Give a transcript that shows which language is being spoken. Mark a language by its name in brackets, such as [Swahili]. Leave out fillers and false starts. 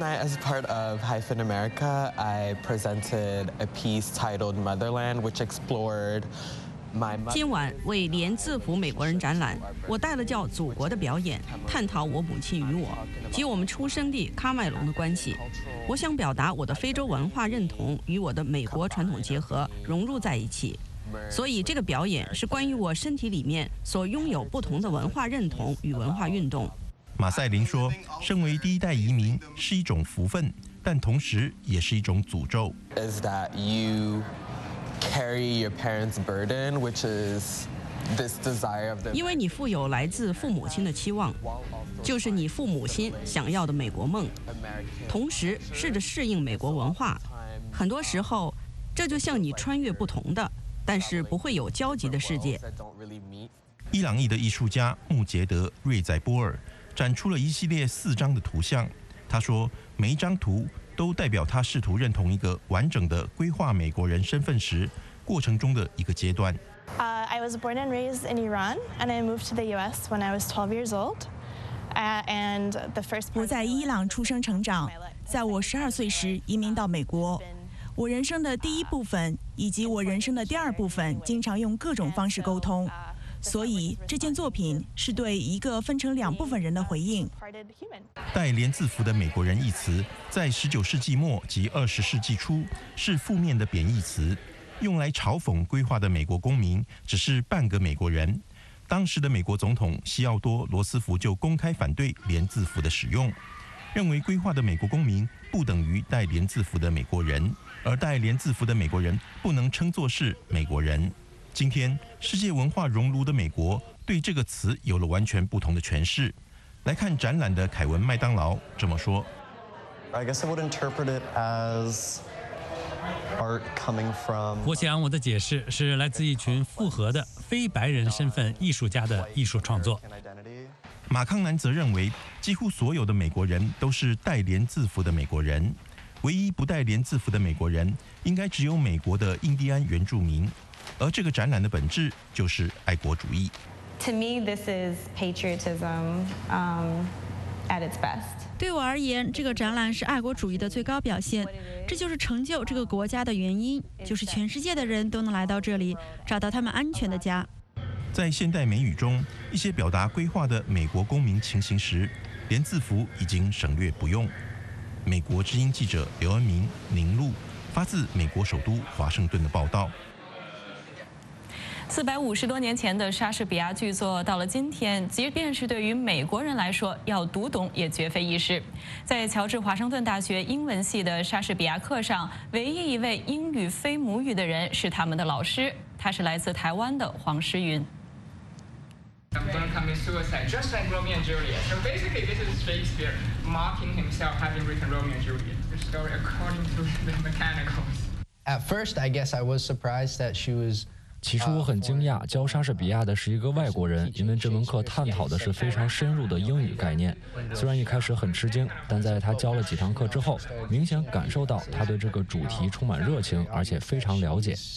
[English] Tonight, as part of Hyphen America, I presented a piece titled Motherland, which explored my mother. [Chinese] 今晚为连字符美国人展览，我带了叫《祖国》的表演，探讨我母亲与我及我们出生地喀麦隆的关系。我想表达我的非洲文化认同与我的美国传统结合融入在一起，所以这个表演是关于我身体里面所拥有不同的文化认同与文化运动。马赛林说，身为第一代移民是一种福分，但同时也是一种诅咒。 [English] Is that you carry your parents' burden, which is this desire of the [Chinese] 因为你负有来自父母亲的期望，就是你父母亲想要的美国梦，同时试着适应美国文化。很多时候这就像你穿越不同的但是不会有交集的世界。伊朗裔的艺术家穆杰德·瑞宰波尔展出了一系列4张的图像，他说每一张图都代表他试图认同一个完整的规划美国人身份时过程中的一个阶段。 [English] I was born and raised in Iran, and I moved to the U.S. when I was 12 years old. And the first [Chinese] 我在伊朗出生成长，在我12岁时移民到美国。我人生的第一部分以及我人生的第二部分，经常用各种方式沟通，所以这件作品是对一个分成两部分人的回应。带连字符的美国人一词，在19世纪末及20世纪初是负面的贬义词。用来嘲讽规划的美国公民只是半个美国人。当时的美国总统西奥多·罗斯福就公开反对连字符的使用，认为规划的美国公民不等于带连字符的美国人，而带连字符的美国人不能称作是美国人。今天世界文化熔炉的美国对这个词有了完全不同的诠释。来看展览的凯文·麦当劳这么说。 [English] I guess I would interpret it as art coming from. [Chinese] 我想我的解释是来自一群复合的非白人身份艺术家的艺术创作。马康南则认为，几乎所有的美国人都是戴连字符的美国人，唯一不戴连字符的美国人，应该只有美国的印第安原住民。而这个展览的本质就是爱国主义。 [English] To me, this is patriotism, at its best. [Chinese] 对我而言，这个展览是爱国主义的最高表现。这就是成就这个国家的原因，就是全世界的人都能来到这里，找到他们安全的家。在现代美语中，一些表达规划的美国公民情形时，连字符已经省略不用。美国之音记者刘恩明、宁路发自美国首都华盛顿的报道。 450多年前的莎士比亚巨作，到了今天，即便是对于美国人来说，要读懂也绝非易事。在乔治华盛顿大学英文系的莎士比亚课上，唯一一位英语非母语的人是他们的老师，他是来自台湾的黄诗云。 [English] I'm going to commit suicide, just like Romeo and Juliet. So basically, this is Shakespeare mocking himself having written Romeo and Juliet, the story according to the mechanicals. At first, I guess I was surprised that she was. [Chinese] 起初我很惊讶，教莎士比亚的是一个外国人，因为这门课探讨的是非常深入的英语概念。虽然一开始很吃惊，但在他教了几堂课之后，明显感受到他对这个主题充满热情，而且非常了解。